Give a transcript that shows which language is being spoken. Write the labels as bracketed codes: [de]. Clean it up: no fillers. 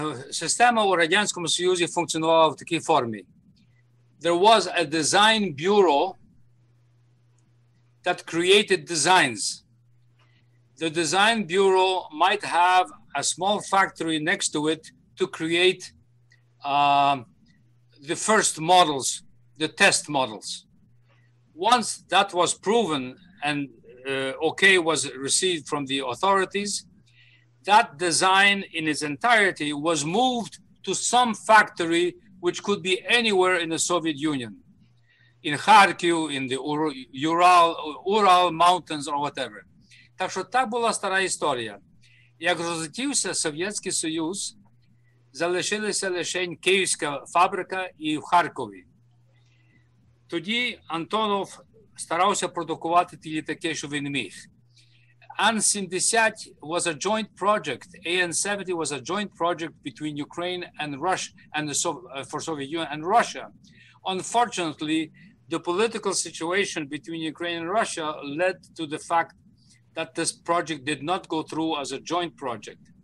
[uk] Система у Радянському Союзі функціонувала в такій формі. [en] There was a design bureau that created designs. The design bureau might have a small factory next to it to create the first models, the test models. Once that was proven and okay was received from the authorities, that design in its entirety was moved to some factory which could be anywhere in the Soviet Union, in Kharkiv, in the Ural Mountains or whatever. [uk] Так що так була стара історія. Як розлетівся Совєтський Союз, залишилася лише київська фабрика і в Харкові. Тоді Антонов старався продукувати ті літаки, що він міг. [en] An-70 was a joint project. AN-70 was a joint project between Ukraine and Russia, and for Soviet Union and Russia. Unfortunately, the political situation between Ukraine and Russia led to the fact that this project did not go through as a joint project.